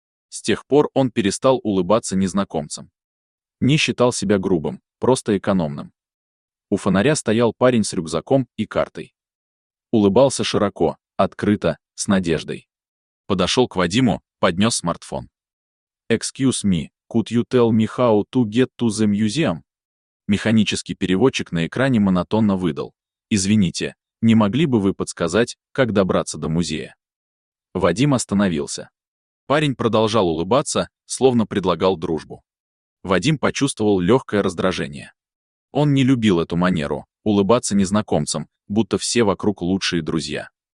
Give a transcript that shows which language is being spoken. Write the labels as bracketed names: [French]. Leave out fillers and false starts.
[Russian] С тех пор он перестал улыбаться незнакомцам. Не считал себя грубым, просто экономным. У фонаря стоял парень с рюкзаком и картой. Улыбался широко, открыто, с надеждой. Подошел к Вадиму, поднес смартфон. [English] «Excuse me, could you tell me how to get to the museum?» [Russian] Механический переводчик на экране монотонно выдал: «Извините, не могли бы вы подсказать, как добраться до музея?» Вадим остановился. Парень продолжал улыбаться, словно предлагал дружбу. Вадим почувствовал легкое раздражение. Он не любил эту манеру — улыбаться незнакомцам, будто все вокруг лучшие друзья.